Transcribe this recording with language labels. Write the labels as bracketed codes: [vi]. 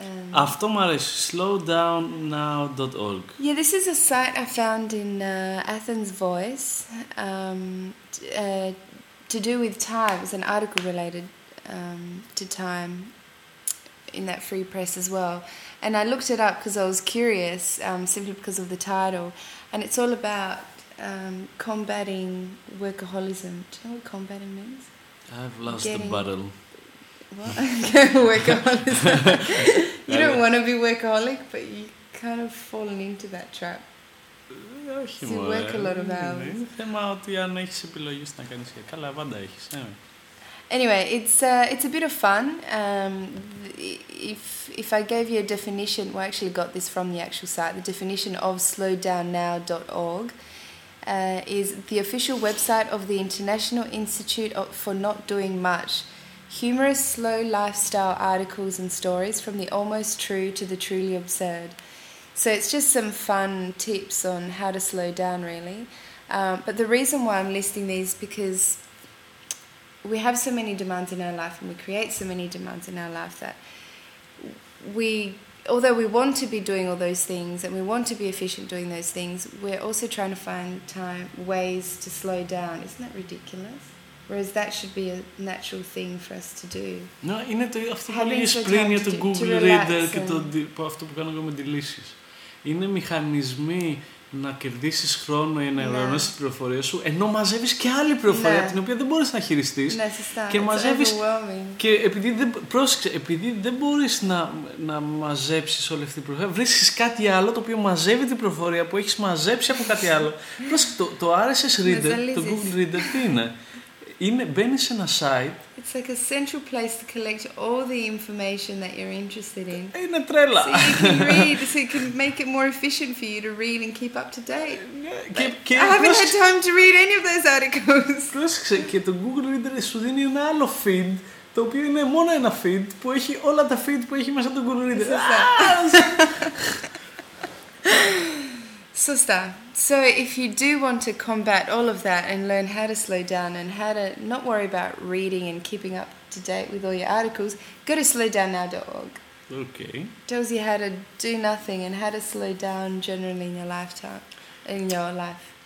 [el] Αυτό μου αρέσει, slowdownnow.org. [en] Yeah, this is a site I found in Athens Voice to do with time. It's an article related to time in that free press as well. And I looked it up because I was curious, simply because of the title. And it's all about combating workaholism. Do you know what combating means? I've lost the battle. What? Workaholism. You don't want to be workaholic, but you kind of fallen into that trap. [el] Όχι μόνο. [en] Work a lot of hours. [el] Θέμα ότι αν έχεις επιλογές να κάνεις και καλά, πάντα έχεις. [en] Anyway, it's a bit of fun. If I gave you a definition, well, I actually got this from the actual site. The definition of slowdownnow.org is the official website of the International Institute for Not Doing Much. Humorous, slow lifestyle articles and stories from the almost true to the truly absurd. So it's just some fun tips on how to slow down, really. But the reason why I'm listing these is because we have so many demands in our life and we create so many demands in our life that we, although we want to be doing all those things and we want to be efficient doing those things, we're also trying to find time, ways to slow down. Isn't that ridiculous? Whereas that should be a natural thing for us to do. [el] No, είναι το, αυτό που λέγεις πριν για το Google Reader και αυτό που κάνω εγώ με τη λύση. Είναι μηχανισμοί να κερδίσεις χρόνο ή να ενεργοποιήσεις την πληροφορία σου, ενώ μαζεύεις και άλλη πληροφορία την οποία δεν μπορείς να χειριστείς. Ναι, σωστά. Και μαζεύεις. Και επειδή δεν μπορείς να μαζέψεις όλη αυτή την πληροφορία, βρίσκεις κάτι άλλο το οποίο μαζεύει την πληροφορία που έχεις μαζέψει από κάτι άλλο. Πρόσεξε, το RSS Reader, το Google Reader, τι είναι. Μπαίνεις σε ένα site. [en] It's like a central place to collect all the information that you're interested in. [el] Είναι τρέλα. [en] So you can read, so you can make it more efficient for you to read and keep up to date. I haven't had time to read any of those articles. [el] Πρόσεξε, και το Google Reader σου δίνει ένα άλλο feed, το οποίο είναι μόνο ένα feed, που έχει όλα τα feed που έχει μέσα το Google Reader. Σωστά. Σωστά. [en] So if you do want to combat all of that and learn how to slow down and how to not worry about reading and keeping up to date with all your articles, go to slowdownnow.org. Okay. Tells you how to do nothing and how to slow down generally in your lifetime, in your life.